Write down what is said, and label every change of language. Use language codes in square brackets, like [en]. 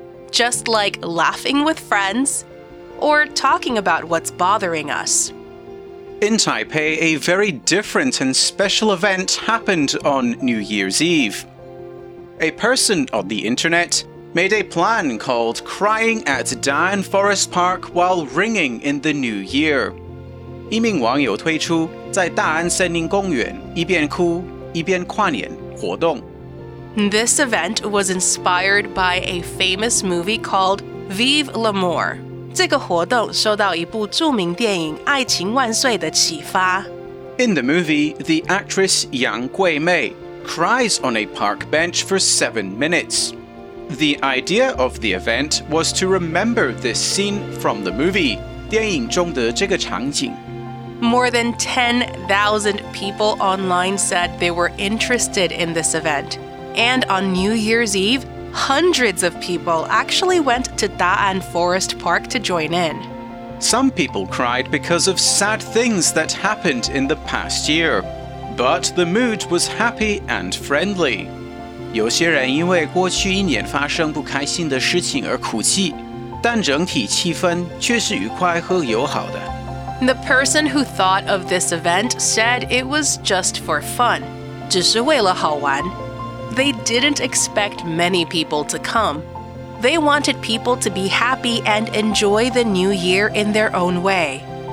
[en] Just like laughing with friends or talking about what's bothering us. In Taipei, a very different and special event happened on New Year's Eve. A person on the internet made a plan called crying at Daan Forest Park while ringing in the New Year. [zh] 一名网友推出在大安森林公园一边哭一边跨年活动。 [en] This event was inspired by a famous movie called Vive L'Amour. [zh] 这个活动受到一部著名电影《爱情万岁》的启发。 [en] In the movie, the actress Yang Kuei-Mei cries on a park bench for 7 minutes. The idea of the event was to remember this scene from the movie, [zh] 电影中的这个场景。 [en] More than 10,000 people online said they were interested in this event. And on New Year's Eve, hundreds of people actually went to Daan Forest Park to join in. Some people cried because of sad things that happened in the past year. But the mood was happy and friendly. [zh] 有些人因为过去一年发生不开心的事情而哭泣，但整体气氛却是愉快和友好的。 [en] The person who thought of this event said it was just for fun. [zh] 只是为了好玩。 [en] They didn't expect many people to come. They wanted people to be happy and enjoy the new year in their own way.